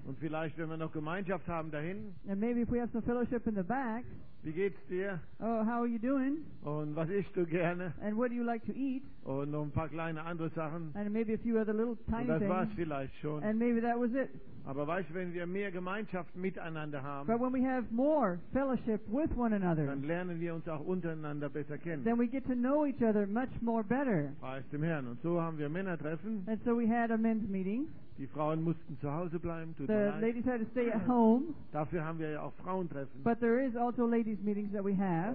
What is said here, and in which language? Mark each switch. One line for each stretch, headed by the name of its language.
German: Und vielleicht, wenn wir noch Gemeinschaft haben dahin.
English: And maybe if we have some fellowship in the back.
German: Wie geht's dir?
English: Oh, how are you doing?
German: Und was isst du gerne?
English: And what do you like to eat?
German: Und noch ein paar kleine andere Sachen.
English: And maybe a few other little tiny things.
German: Und das war's vielleicht schon.
English: And maybe that was it.
German: Aber weißt, wenn wir mehr Gemeinschaft miteinander haben.
English: But when we have more fellowship with one another.
German: Dann lernen wir uns auch untereinander besser kennen.
English: Then we get to know each other much more better.
German: Preis dem Herrn. Und so haben wir Männertreffen.
English: And so we had a men's meeting.
German: Die Frauen mussten zu Hause bleiben.
English: The ladies had to stay at home.
German: Dafür haben wir ja auch Frauentreffen.
English: But there is also ladies' meetings that we have.